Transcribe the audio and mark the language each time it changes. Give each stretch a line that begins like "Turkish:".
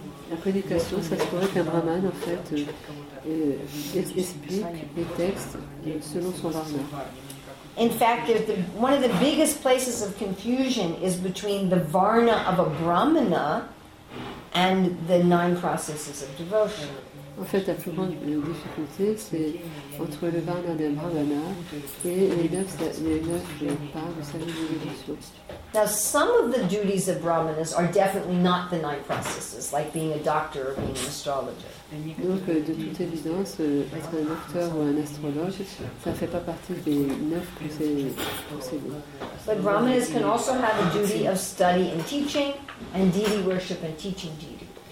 French: La prédication, ça se pourrait qu'un Brahman, en fait, explique les textes selon son varna.
English: In fact, one of the biggest places of confusion is between the varna of a Brahmana and the nine processes of devotion.
French: En fait, la plus grande difficulté, c'est entre le varna d'un brahmana et les neuf parts du service de dévotion.
English: Now, some of the duties of brahmanas are definitely not the nine processes, like being a doctor or being an astrologer.
French: Donc, de toute évidence, être un docteur ou un astrologue, ça ne fait pas partie des neuf procédés.
English: But brahmanas can also have a duty of study and teaching, and deity worship and teaching deity.